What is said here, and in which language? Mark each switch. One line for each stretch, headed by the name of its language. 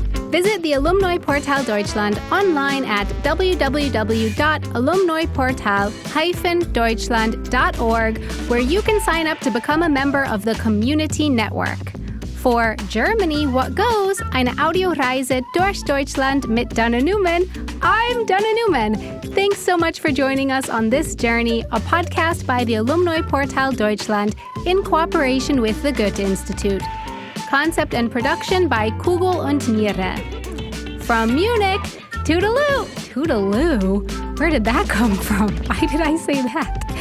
English: Visit the Alumni Portal Deutschland online at www.alumniportal-deutschland.org, where you can sign up to become a member of the community network. For Germany, what goes?
German: Eine Audioreise durch Deutschland mit Dana Neumann.
English: I'm Dana Neumann. Thanks so much for joining us on this journey, a podcast by the Alumni Portal Deutschland in cooperation with the Goethe Institute. Concept and production by Kugel und Niere. From Munich, toodaloo! Toodaloo? Where did that come from? Why did I say that?